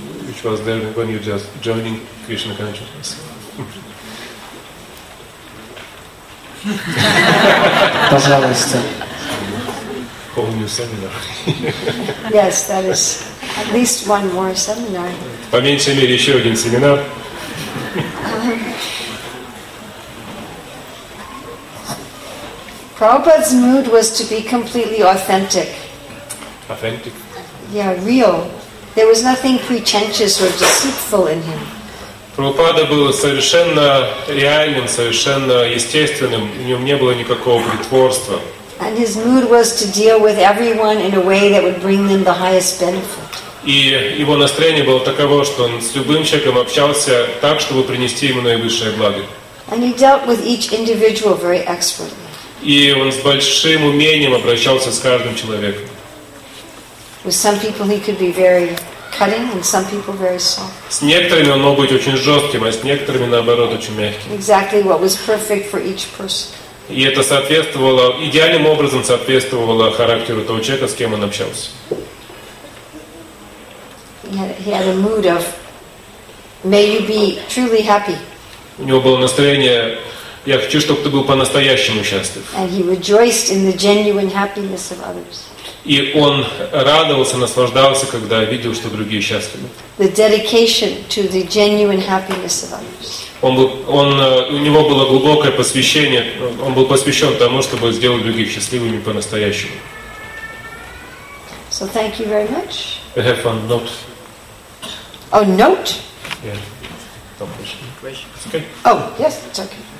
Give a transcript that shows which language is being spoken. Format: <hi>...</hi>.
<en>which was there when you just joining Krishna consciousness.</en> <ru>Пожалуйста.</ru> <en>Whole new seminar. Yes, that is at least one more seminar.</en> <ru>По меньшей мере еще один семинар.</ru> <en>Prabhupada's mood was to be completely authentic. Authentic? Yeah, real. There was nothing pretentious or deceitful in him.</en> <ru>Prabhupada был совершенно реальным, совершенно естественным. В нем не было никакого притворства.</ru> <en>And his mood was to deal with everyone in a way that would bring them the highest benefit.</en> <ru>И его настроение было таково, что он с любым человеком общался так, чтобы принести ему наивысшее благо.</ru> <en>And he dealt with each individual very expertly.</en> <ru>И он с большим умением обращался с каждым человеком.</ru> <en>With some people he could be very cutting, and some people very soft.</en> <ru>С некоторыми он мог быть очень жестким, а с некоторыми наоборот очень мягким.</ru> <en>Exactly what was perfect for each person.</en> <ru>И это соответствовало идеальным образом соответствовало характеру того человека, с кем он общался.</ru> <en>He had a mood of, may you be truly happy.</en> <ru>У него было настроение. Я хочу, чтобы ты был по-настоящему счастлив.</ru> <en>And he rejoiced in the genuine happiness of others.</en> <ru>И он радовался, наслаждался, когда видел, что другие счастливы.</ru> <en>The dedication to the genuine happiness of others.</en> <ru>У него было глубокое посвящение. Он был посвящен тому, чтобы сделать других счастливыми по-настоящему.</ru> <en>So thank you very much. I have one note. Oh, note? Yeah. Okay. Oh, yes, it's okay.</en>